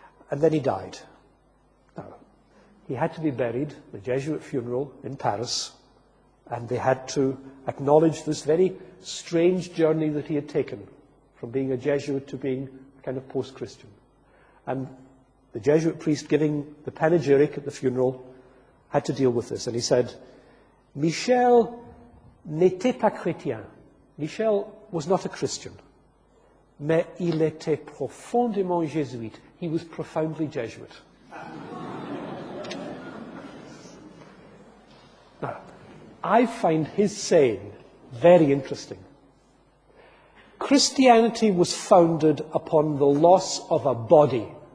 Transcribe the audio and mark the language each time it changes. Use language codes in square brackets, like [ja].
[en] And then he died. Now, he had to be buried at a Jesuit funeral in Paris, and they had to acknowledge this very strange journey that he had taken from being a Jesuit to being kind of post-Christian. And the Jesuit priest giving the panegyric at the funeral had to deal with this. And he said, [fr] Michel n'était pas chrétien. [en] Michel was not a Christian. [fr] Mais il était profondément jésuite. [en] He was profoundly Jesuit. Now, I find his saying very interesting. Christianity was founded upon the loss of a body.